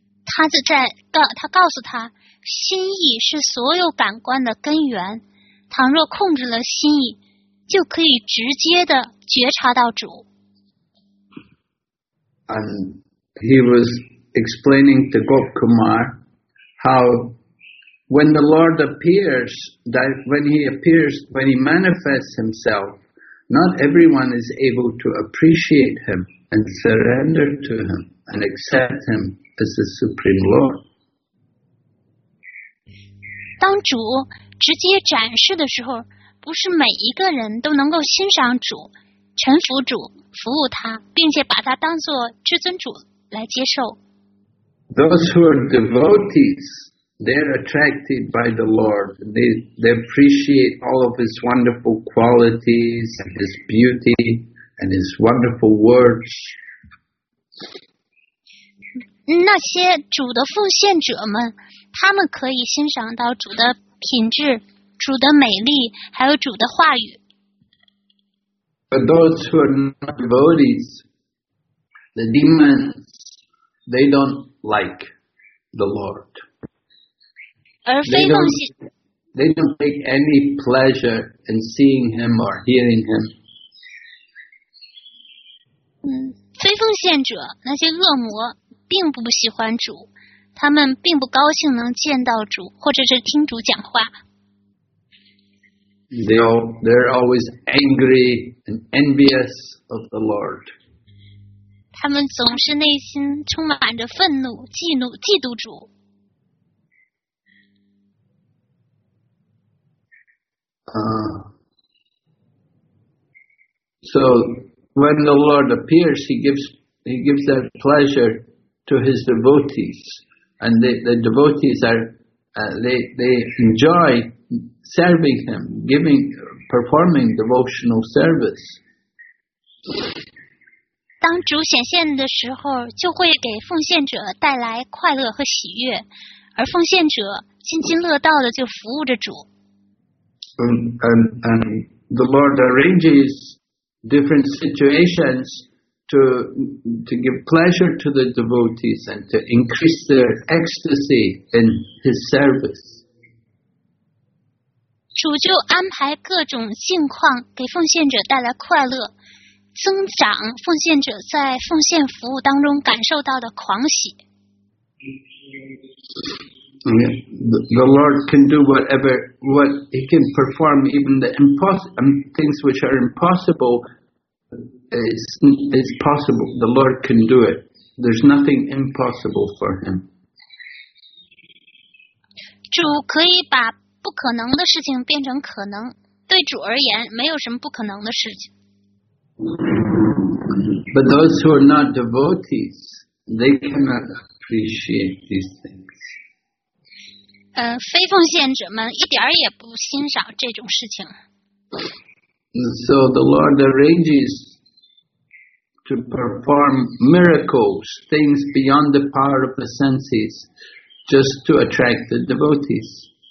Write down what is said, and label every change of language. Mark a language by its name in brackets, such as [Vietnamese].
[Chinese] 他告诉他, 心意是所有感官的根源, 倘若控制了心意, 就可以直接地觉察到主。 [English] And he was explaining to Gop Kumar how When the Lord appears, that when He appears, when He manifests Himself, not everyone is able to appreciate Him and surrender to Him and accept Him as the Supreme Lord. [Chinese] 当主直接展示的时候，不是每一个人都能够欣赏主、臣服主、服务他，并且把他当作至尊主来接受。 [English] Those who are devotees, they're attracted by the Lord. They appreciate all of His wonderful qualities and His beauty and His wonderful words. [Chinese] 那些主的奉献者们。他们可以欣赏到主的品质、主的美丽，还有主的话语。 [English] But those who are not devotees, the demons, they don't like the Lord. [Chinese] 而非奉献。 [English] They don't take any pleasure in seeing Him or hearing Him. [Chinese] 非奉献者，那些恶魔，并不喜欢主。他们并不高兴能见到主，或者是听主讲话。 [English] They're always angry and envious of the Lord. [Chinese] 他们总是内心充满着愤怒、嫉妒、嫉妒主。 [English] So when the Lord appears, he gives that pleasure to his devotees. And the devotees they enjoy serving him, performing devotional service. [Chinese] 当主显现的时候，就会给奉献者带来快乐和喜悦，而奉献者津津乐道的就服务着主。 [English] And the Lord arranges different situations. To give pleasure to the devotees and to increase their ecstasy in his service. [Chinese] 主就安排各种境况给奉献者带来快乐，增长奉献者在奉献服务当中感受到的狂喜。 [English] The Lord can do whatever, what he can perform even the things which are impossible. It's possible. The Lord can do it. There's nothing impossible for Him. [Chinese] 主可以把不可能的事情变成可能。对主而言，没有什么不可能的事情。 [English] But those who are not devotees, they cannot appreciate these things. [Chinese] 非奉献者们一点也不欣赏这种事情。 [English] So the Lord arranges. To perform miracles, things beyond the power of the senses, just to attract the devotees.